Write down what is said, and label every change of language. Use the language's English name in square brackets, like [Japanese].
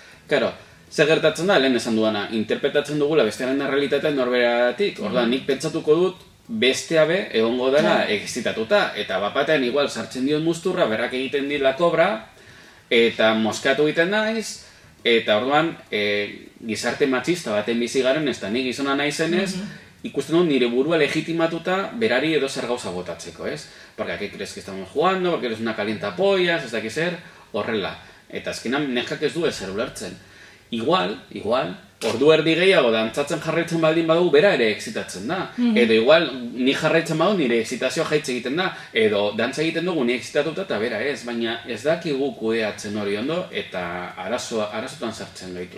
[Basque] Claro, zer gertatzen da, lehen esan duana, interpretatzen dugula bestearen errealitatea norberatik, hor da, nik pentsatuko dut, bestea be, egongo dela excitatuta, eta bapatean igual sartzen dion muzturra, berrak egiten dit la kobra, eta moskatu egiten naiz, eta orduan gizarte matxista baten bizi garen, ez da ni gizona naizenez, ikusten dut nire burua legitimatuta berari edo zer gauza botatzeko, ez? [Spanish] Porque aquí crees que estamos jugando, porque eres una calienta pollas, [Basque] ez dakiz zer, horrela. Eta azkenan neskak ez du ezer ulertzen. Igual, ordu erdi gehiago dantzatzen jarraitzen baldin badugu, bera ere excitatzen da. Edo igual, ni jarraitzen badu nire excitazioa jaitze egiten da. Edo dantza egiten dugu ni excitatuta eta bera ez. Baina ez dakigu kudeatzen hori ondo eta arazotan sartzen gaitu.